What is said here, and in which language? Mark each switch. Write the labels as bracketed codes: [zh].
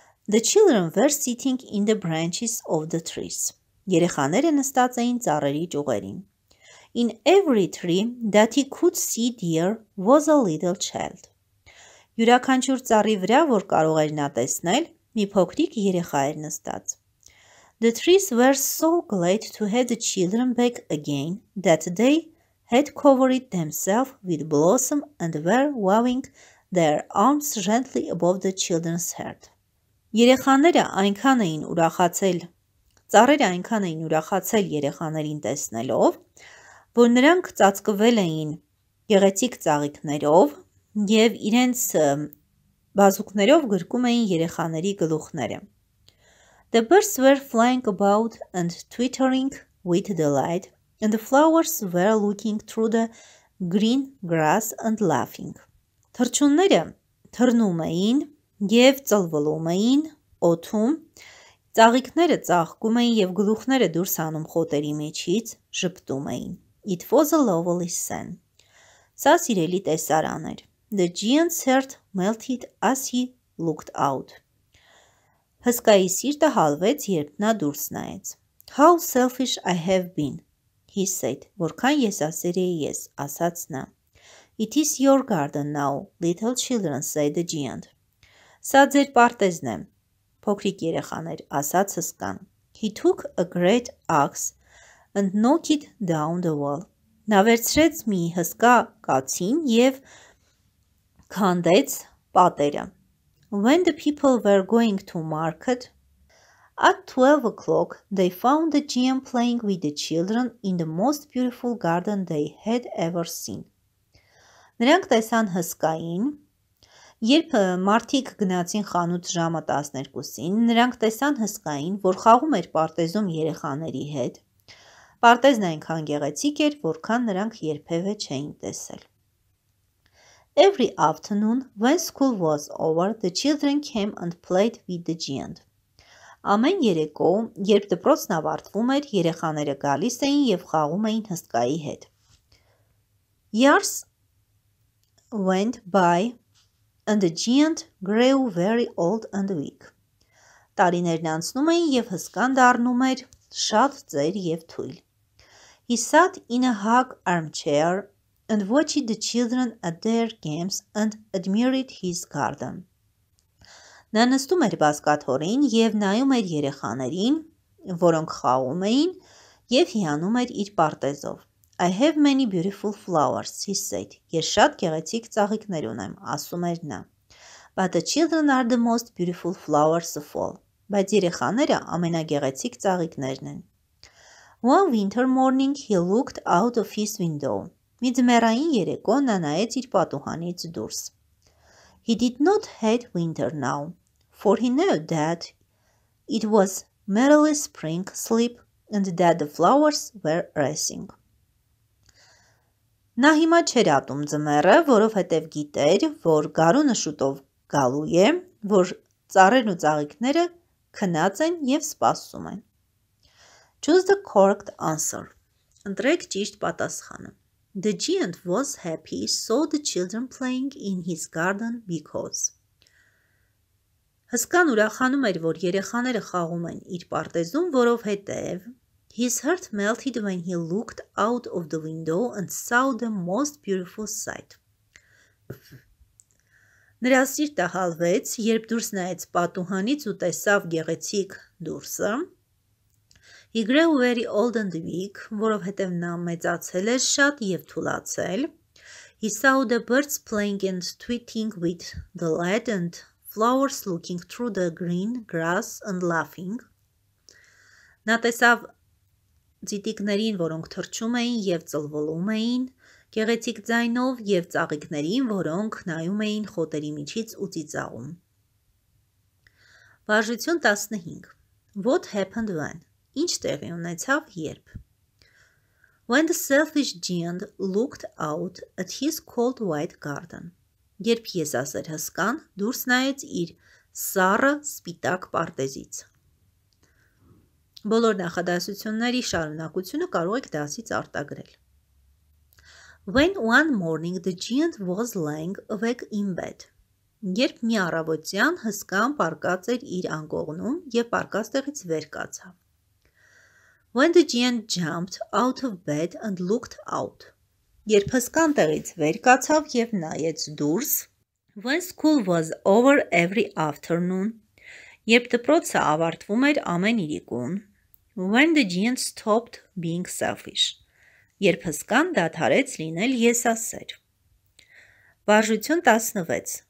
[en] The children were sitting in the branches of the trees. [hy] Երեխաները նստած էին ծառերի ճյուղերին. [en] In every tree that he could see dear was a little child. [hy] Յուրաքանչյուր ծառի վրա, որ կարող էր նա տեսնել, մի փոքրիկ երեխա էր նստած. [en] The trees were so glad to have the children back again that they had covered themselves with blossom and were waving their arms gently above the children's head. [hy] Երեխաները այնքան էին ուրախացել, ծառերը այնքան էին ուրախացել երեխաներին տեսնելով, որ նրանք ծածկվել էին գեղեցիկ ծաղիկներով եւ իրենց բազուկներով գրկում էին երեխաների գլուխները. [en] The birds were flying about and twittering with delight, and the flowers were looking through the green grass and laughing. [hy] Թռչունները թռնում էին եւ ծլվլում էին օդում, ծաղիկները ծաղկում էին եւ գլուխները դուրս անում խոտերի միջից ժպտում էին. [en] It was a lovely scene. [hy] Սա սիրելի տեսարան էր. [en] The giant's heart melted as he looked out. [hy] Հսկայի սիրտը հալվեց, երբ նա դուրս նայեց. [en] How selfish I have been, he said. [hy] Որքան եսասեր էի ես, ասաց նա. [en] It is your garden now, little children, said the giant. [hy] Սա ձեր պարտեզն է, փոքրիկ երեխաներ, ասաց հսկան. [en] He took a great axe and knocked it down the wall. [hy] Նա վերցրեց մի հսկա կացին եւ քանդեց պատերը. [en] When the people were going to market, at 12 o'clock, they found the giant playing with the children in the most beautiful garden they had ever seen. [hy] Նրանք տեսան հսկային, երբ մարդիկ գնացին խանութ ժամը 12-ին, նրանք տեսան հսկային, որ խաղում էր պարտեզում երեխաների հետ. Պարտեզն այնքան գեղեցիկ էր, որքան նրանք երբևէ չէին տեսել. [en] Every afternoon, when school was over, the children came and played with the giant. [hy] Ամեն երեկո, երբ դպրոցն ավարտվում էր, երեխաները գալիս էին եւ խաղում էին հսկայի հետ. [en] Years went by and the giant grew very old and weak. [hy] Տարիներն անցնում էին եւ հսկան դառնում էր շատ ծեր եւ թույլ. [en] He sat in a hog armchair and watched the children at their games and admired his garden. [hy] Նա նստում էր բազկաթոռին եւ նայում էր երեխաներին, որոնք խաղում էին եւ հիանում էր իր պարտեզով. [en] I have many beautiful flowers, he said. [hy] Ես շատ գեղեցիկ ծաղիկներ ունեմ, ասում էր նա. [en] But the children are the most beautiful flowers of all. [hy] Բայց երեխաները ամենագեղեցիկ ծաղիկներն են. [en] One winter morning he looked out of his window. [hy] Մի ձմեռային երեկո նա նայեց իր պատուհանից դուրս. [en] He did not hate winter now, for he knew that it was merely spring sleep and that the flowers were rising. [hy] Նա հիմա չեր ատում ձմեռը, որովհետև գիտեր, որ գարունը շուտով գալու է, որ ծառերն ու ծաղիկները քնած են եւ սպասում են։ [en] Choose the correct answer. [hy] Ընտրեք ճիշտ պատասխանը։ [en] The giant was happy, saw the children playing in his garden because. [hy] Հսկան ուրախանում էր, որ երեխաները խաղում են իր պարտեզում, որովհետև [en] his heart melted when he looked out of the window and saw the most beautiful sight. [hy] Նրա սիրտը հալվեց, երբ դուրս նայեց պատուհանից ու տեսավ գեղեցիկ դուրսը. [en] He grew very old and weak, [hy] որովհետև նա մեծացել էր շատ եւ թուլացել. [en] He saw the birds playing and twittering with the light and flowers looking through the green grass and laughing. [hy] Նա տեսավ ձիտիկներին, որոնք թռչում էին եւ ծլվլում էին, գեղեցիկ ձայնով եւ ծաղիկներին, որոնք նայում էին խոտերի միջից ու ծիծաղում. Բաժություն 15. [en] What happened when? [hy] Ինչ տեղի ունեցավ երբ? [en] When the selfish giant looked out at his cold white garden. [hy] Երբ եսասեր հսկան դուրս նայեց իր սառը սպիտակ պարտեզից. Բոլոր նախադասությունների շարունակությունը կարող եք դասից արտագրել. [en] When one morning the giant was lying awake in bed. [hy] Երբ մի առավոտյան հսկան պառկած էր իր անկողնում եւ պառկածտեղից վեր կացավ. [en] When the giant jumped out of bed and looked out. [hy] Երբ հսկան տեղից վեր կացավ եւ նայեց դուրս. [en] When school was over every afternoon. [hy] Երբ դպրոցը ավարտվում էր ամեն երեկոն. [en] When the giant stopped being selfish. [hy] Երբ հսկան դադարեց լինել եսասեր։ Բաժություն 16.